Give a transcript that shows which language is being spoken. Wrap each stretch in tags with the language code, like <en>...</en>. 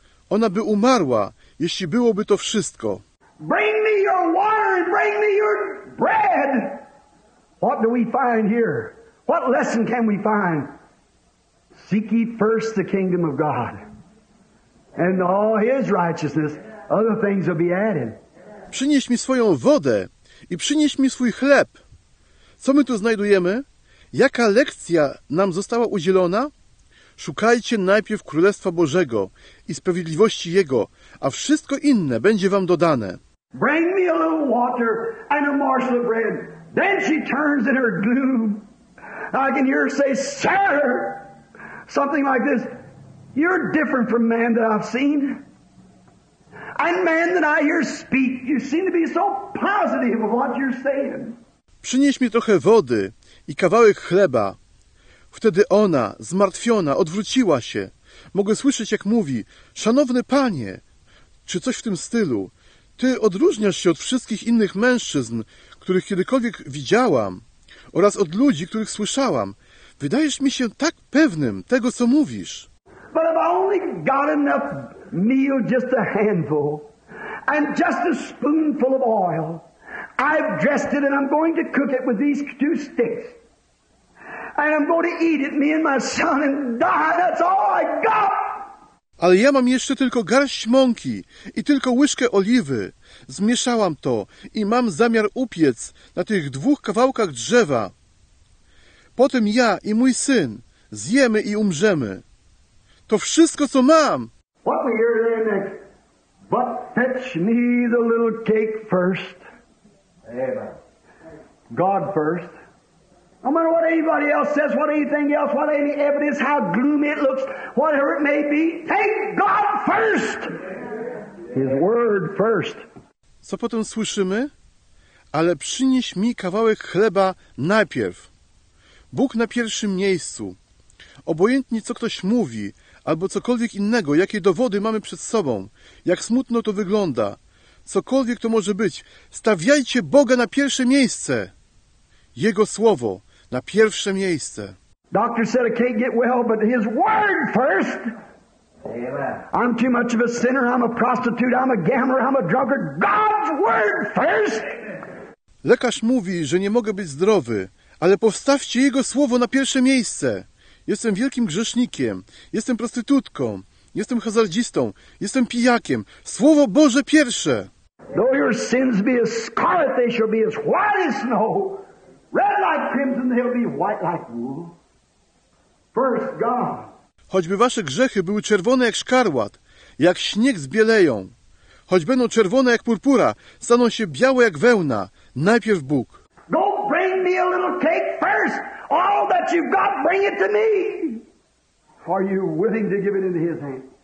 <pl>Ona by umarła, jeśli byłoby to wszystko.</pl> <en>Bring me your water and bring me your bread. What do we find here? What lesson can we find? Seek ye first the kingdom of God, and all his righteousness, other things will be added.</en> <pl>Przynieś mi swoją wodę i przynieś mi swój chleb. Co my tu znajdujemy? Jaka lekcja nam została udzielona? Szukajcie najpierw Królestwa Bożego i sprawiedliwości Jego, a wszystko inne będzie wam dodane.</pl> <en>Bring me a little water and a morsel of bread. Then she turns in her gloom. I can hear her say, sir! Something like this. You're different from man that I've seen. And man that I hear speak. You seem to be so positive of what you're saying.</en> <pl>Przynieś mi trochę wody i kawałek chleba. Wtedy ona, zmartwiona, odwróciła się. Mogę słyszeć, jak mówi, szanowny panie, czy coś w tym stylu. Ty odróżniasz się od wszystkich innych mężczyzn, których kiedykolwiek widziałam, oraz od ludzi, których słyszałam. Wydajesz mi się tak pewnym tego, co mówisz.</pl> <en>But I've only got enough meal, just a handful, and just a spoonful of oil. I've dressed it and I'm going to cook it with these two sticks. And I'm going to eat it, me and my son, and die. That's all I got.</en> <pl>Ale ja mam jeszcze tylko garść mąki i tylko łyżkę oliwy. Zmieszałam to i mam zamiar upiec na tych dwóch kawałkach drzewa. Potem ja i mój syn zjemy i umrzemy. To wszystko, co mam.</pl> <en>What we hear there next? But fetch me the little cake first. Amen. God first. No matter what anybody else says, what anything else, what any evidence, how gloomy it looks, whatever it may be, take God first. His word first.</en> <pl>Co potem słyszymy? Ale przynieś mi kawałek chleba najpierw. Bóg na pierwszym miejscu. Obojętnie, co ktoś mówi, albo cokolwiek innego, jakie dowody mamy przed sobą, jak smutno to wygląda, cokolwiek to może być, stawiajcie Boga na pierwsze miejsce. Jego słowo na pierwsze miejsce.</pl> <en>Doctor said I can't get well, but his word first. I'm too much of a sinner, I'm a prostitute, I'm a gambler, I'm a drunkard. God's word first!</en> <pl>Lekarz mówi, że nie mogę być zdrowy, ale postawcie Jego słowo na pierwsze miejsce. Jestem wielkim grzesznikiem, jestem prostytutką, jestem hazardzistą, jestem pijakiem. Słowo Boże pierwsze!</pl> <en>Though your sins be as scarlet, they shall be as white as snow. Red like crimson, they'll be white like wool. First God.</en> <pl>Choćby wasze grzechy były czerwone jak szkarłat, jak śnieg zbieleją. Choć będą czerwone jak purpura, staną się białe jak wełna. Najpierw Bóg.</pl> <en>Go bring me a little cake first. All that you've got, bring it to me. Are you willing to give it into his hand?</en>